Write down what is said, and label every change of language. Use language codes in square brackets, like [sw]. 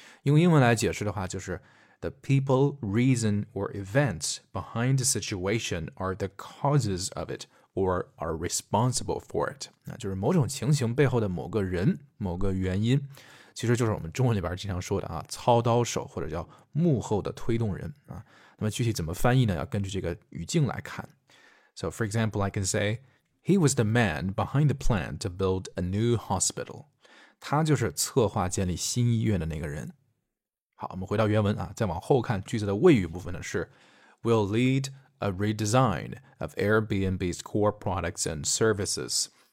[zh] 用英文来解释的话，就是 [en] the people, reason or events behind the situation are the causes of it [zh] or are responsible for it。那就是某种情形背后的某个人、某个原因。其实就是我们中文里边经常说的啊，操刀手或者叫幕后的推动人啊。那么具体怎么翻译呢？要根据这个语境来看。 [en] So for example, I can say he was the man behind the plan to build a new hospital. [zh] 他就是策划建立新医院的那个人。好，我们回到原文啊，再往后看句子的谓语部分呢是 [en] will lead a redesign of Airbnb's core products and services.